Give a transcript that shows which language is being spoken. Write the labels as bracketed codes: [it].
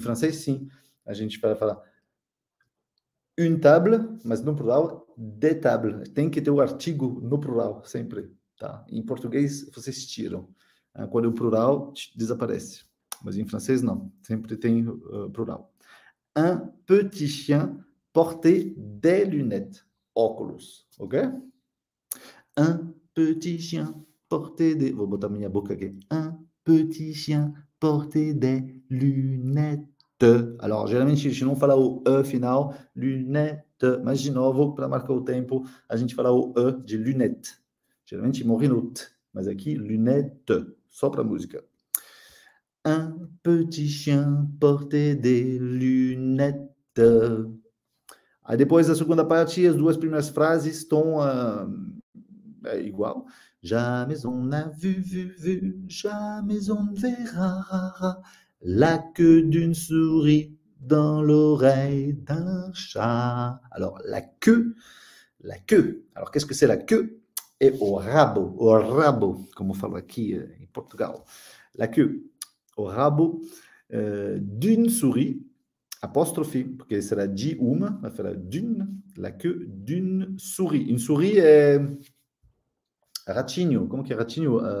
[pt] Em francês, sim, a gente para falar [fr] une table, [pt] mas no plural, [fr] des tables, [pt] tem que ter o artigo no plural, sempre, tá? Em português, vocês tiram. Quando é o plural, desaparece. Mas em francês, não. Sempre tem plural. [fr] Un petit chien portait des lunettes. Óculos. Ok? Un petit chien portait des... [pt] Vou botar minha boca aqui. [fr] Un petit chien portait des lunettes. [pt] Alors, geralmente, a gente não fala o E final. Lunettes. Mas, de novo, para marcar o tempo, a gente fala o E de lunettes. Geralmente, morre no T. Mas aqui, lunettes. Só para música. [fr] Un petit chien portait des lunettes. [pt] Aí depois da segunda parte, as duas primeiras frases estão igual. [fr] Jamais on n'a vu, jamais on ne verra la queue d'une souris dans l'oreille d'un chat. Alors, la queue. Alors, qu'est-ce que c'est la queue? [pt] É o rabo, como falo aqui em Portugal. [fr] La queue, [pt] o rabo [fr] d'une souris, [pt] apóstrofe, porque será de uma, vai falar d'une, [fr] la queue d'une souris. Une souris [pt] é ratinho, como que é ratinho?